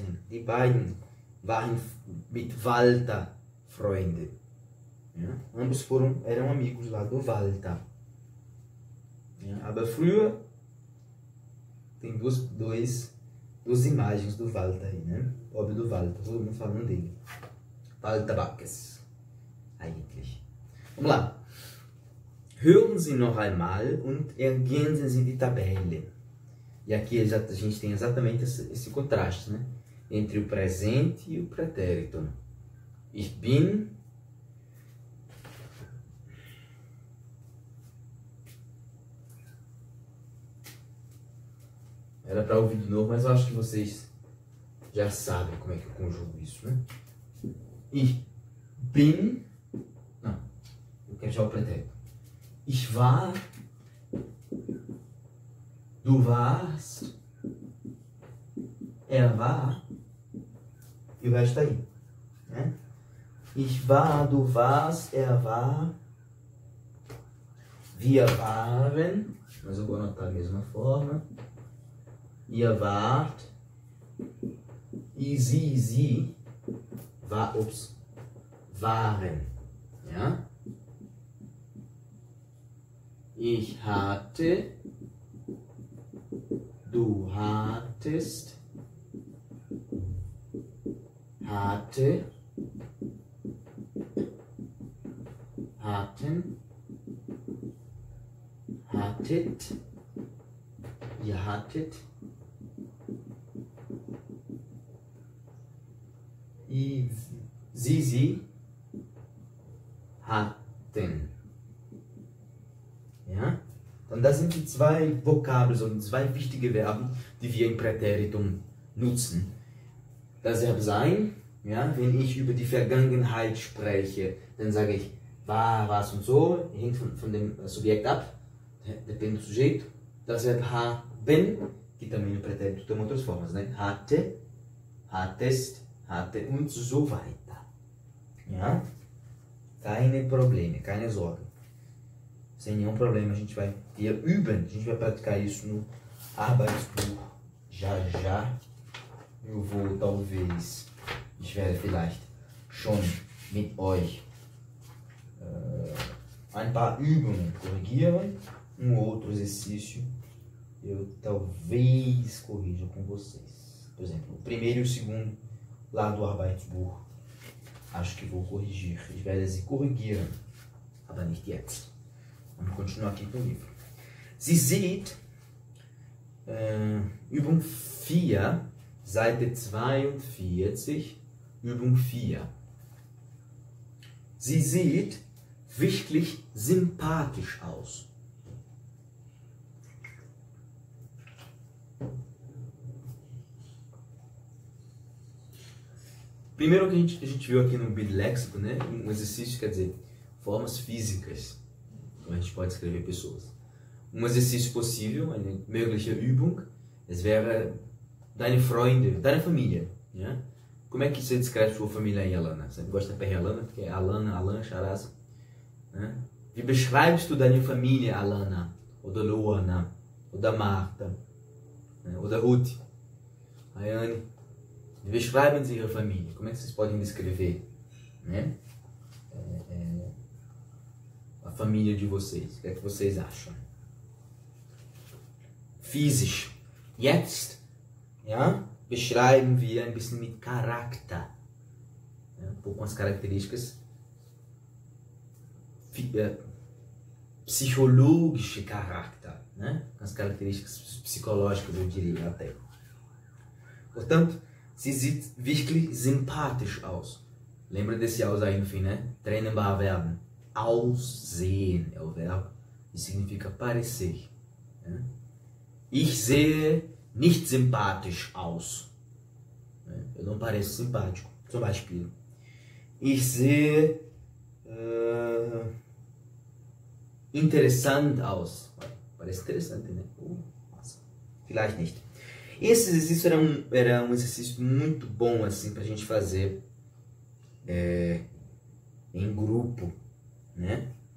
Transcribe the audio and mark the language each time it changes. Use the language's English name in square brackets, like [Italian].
[German] Die beiden waren mit Walter Freunde, né? [Portuguese] Ambos foram, eram amigos lá do Walter, né? [German] Aber früher [Portuguese] tem duas imagens do Walter aí, né? Pobre do Walter, todo mundo falando dele. Walter Backes. [German] Eigentlich. [Portuguese] Vamos lá. [German] Hören Sie noch einmal und ergänzen Sie die Tabelle. [Portuguese] E aqui a gente tem exatamente esse contraste, né? Entre o presente e o pretérito. [German] Ich bin. [Portuguese] Era para ouvir de novo, mas eu acho que vocês já sabem como é que eu conjugo isso, né? [German] Ich bin. [Portuguese] Eu quero já o pretérito. [German] Ich war. Du warst. Er war. [Portuguese] E o resto está aí, né? [German] Ich war, du warst, er war. Wir waren. [Portuguese] Mas eu vou anotar da mesma forma. [German] Ihr wart, sie, war, ups, waren, ja? Ich hatte, du hattest, hatte, hatten, hattet, ihr hattet. E Zizi hatten. Ja? Então, das sind die zwei Vokabeln und zwei wichtige Verben, die wir im Präteritum nutzen. Das Verb sein, ja? Wenn ich über die Vergangenheit spreche, dann sage ich war, was und so, hängt von dem Subjekt ab, [Portuguese] depende do sujeito. [German] Das Verb haben, [Portuguese] que também no Pretérito tem outras formas, né? [German] Hatte, hattest, hatte und so weiter. Ja? Keine Probleme, keine Sorgen. [Portuguese] Sem nenhum problema, a gente vai ter üben. A gente vai praticar isso no Arbeitsbuch já já. Eu vou, talvez, [German] ich werde vielleicht schon mit euch ein paar Übungen korrigieren. [Portuguese] Um outro exercício eu talvez corrija com vocês. Por exemplo, o primeiro e o segundo. Lá do Arbeitsbuch. Acho que vou corrigir. [German] Ich werde sie korrigieren. Aber nicht jetzt. [Portuguese] Vamos continuar aqui com o livro. [German] Sie sieht, Übung 4, Seite 42, Übung 4. Sie sieht wirklich sympathisch aus. [Portuguese] Primeiro que a gente viu aqui no biléxico, né? Um exercício, quer dizer, formas físicas. Então a gente pode escrever pessoas. Um exercício possível, [German] eine mögliche Übung, es wäre deine Freunde, deine Familie. [Portuguese] Né? Como é que você descreve sua família aí, Alana? Você gosta de perre Alana? Porque é Alana, Alan, Charaz. Né? [German] Wie beschreibst du deine Familie, Alana? [Portuguese] Ou da Luana? Ou da Marta? Né? Ou da Ruth? Ayane? [German] Beschreiben Sie Ihre Familie. [Portuguese] Como é que vocês podem descrever, né? A família de vocês? O que é que vocês acham? [German] Physisch. Jetzt. Ja? Beschreiben wir ein bisschen mit Charakter. Ja? [Portuguese] Um pouco com as características. [German] Psychologische Charakter. [Portuguese] Né? Com as características psicológicas, eu diria até. Portanto. [German] Sie sieht wirklich sympathisch aus. [Portuguese] Lembra desse aus aí no fim, né? [German] Trennbar werden. [Portuguese] Aussehen é o verbo e significa parecer. Né? [German] Ich sehe nicht sympathisch aus. [Portuguese] Né? Eu não pareço simpático. [German] Zum Beispiel. Ich sehe interessant aus. [Portuguese] Parece interessante, né? [German] Vielleicht nicht. [Portuguese] Esse exercício era um exercício muito bom assim para a gente fazer em grupo, né?